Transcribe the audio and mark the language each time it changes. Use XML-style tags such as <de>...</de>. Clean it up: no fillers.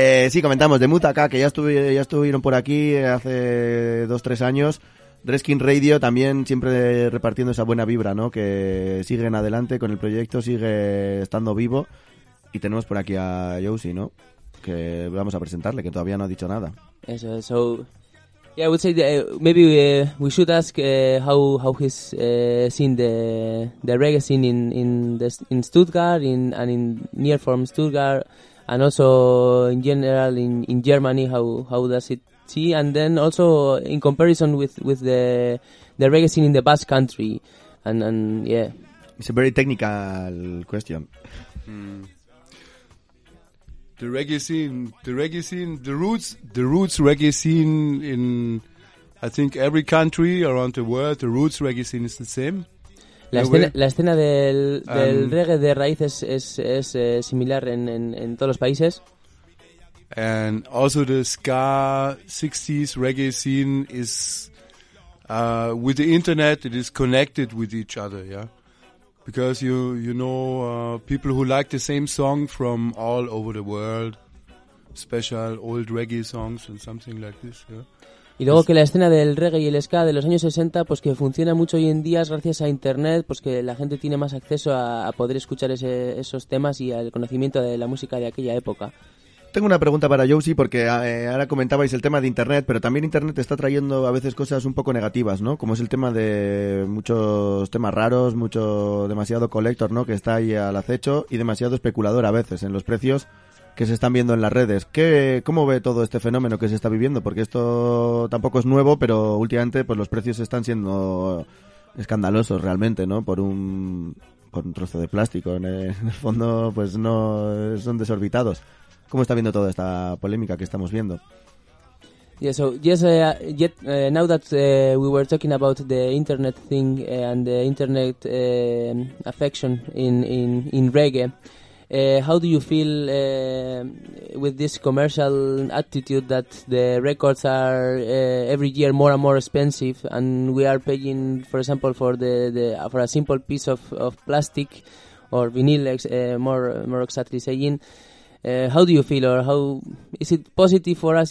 <es>sí, comentamos, The Mood AK, que ya estuvieron por aquí hace 2-3 años. Dreadskin Radio también siempre repartiendo esa buena vibra, ¿no? Que siguen adelante con el proyecto, sigue estando vivo. Y tenemos por aquí a Yoshi, ¿no? Que vamos a presentarle, que todavía no ha dicho nada. Eso, so...</es> <en>Yeah, I would say that maybe we should ask how he's seen the reggae scene in Stuttgart and in near from Stuttgart. And also in general in Germany, how does it see? And then also in comparison with the reggae scene in the Basque Country, and yeah. It's a very technical question. The roots reggae scene in, I think every country around the world, the roots reggae scene is the same.</en> <es>La escena del reggae de raíces es similar en todos los países.</es> <en>And also the ska 60s reggae scene is with the internet, it is connected with each other, yeah, because you know people who like the same song from all over the world, special old reggae songs and something like this, yeah.</en> <es>Y luego que la escena del reggae y el ska de los años 60, pues que funciona mucho hoy en día gracias a internet, pues que la gente tiene más acceso a poder escuchar esos temas y al conocimiento de la música de aquella época. Tengo una pregunta para Yoshi, porque ahora comentabais el tema de internet, pero también internet está trayendo a veces cosas un poco negativas, ¿no? Como es el tema de muchos temas raros, mucho demasiado collector, ¿no? Que está ahí al acecho y demasiado especulador a veces en los precios que se están viendo en las redes. ¿Cómo ve todo este fenómeno que se está viviendo? Porque esto tampoco es nuevo, pero últimamente pues los precios están siendo escandalosos realmente, ¿no? Por un trozo de plástico en el fondo, pues no son desorbitados. ¿Cómo está viendo toda esta polémica que estamos viendo?</es> <en>Yeah, so yes, yet now that we were talking about the internet thing and the internet affection in reggae. How do you feel with this commercial attitude that the records are every year more and more expensive, and we are paying, for example, for for a simple piece of plastic or vinyl, more exactly saying, how do you feel, or how is it positive for us?</en>